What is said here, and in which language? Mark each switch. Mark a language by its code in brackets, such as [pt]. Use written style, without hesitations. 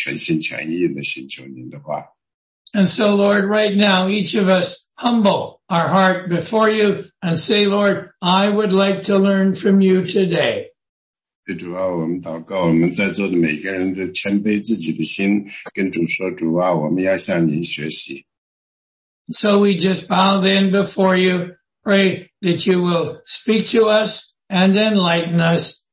[zh] 所以主啊，我们在其他的应许中间，我们也知道有一个应许，就是说，如果我们寻求您呢，我们就会找到您。如果我们全心全意的寻求您的话。 [en] And so, Lord, right now, each of us humble our heart before you and say, Lord, I would like to learn from you today. [zh] 主啊，我们祷告，我们在座的每个人都谦卑自己的心，跟主说，主啊，我们要向您学习。 [en] So we just bow then before you, pray that you will speak to us and enlighten us.